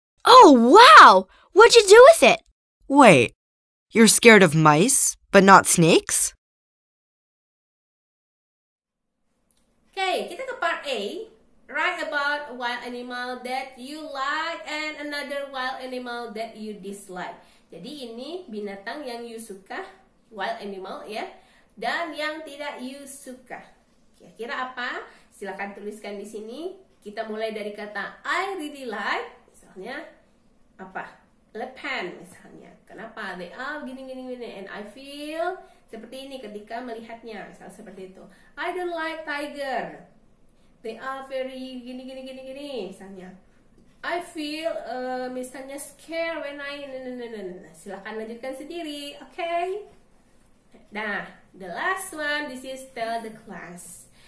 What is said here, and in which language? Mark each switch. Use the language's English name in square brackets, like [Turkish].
[English] Oh, wow! What'd you do with it? Wait, you're scared of mice, but not snakes? [Indonesian] Okay, kita ke part A. [English] Write about a wild animal that you like and another wild animal that you dislike. [Indonesian] Jadi ini binatang yang you suka, wild animal ya, dan yang tidak you suka. Kira-kira apa? Silakan tuliskan di sini. Kita mulai dari kata I really like, misalnya apa? Lepen misalnya. Kenapa? They are gini. And I feel seperti ini ketika melihatnya. Misal seperti itu. [English] I don't like tiger. They are very gini. Misalnya. I feel, misalnya, scared when I... Silahkan lanjutkan sendiri, okay? Nah, the last one, this is tell the class.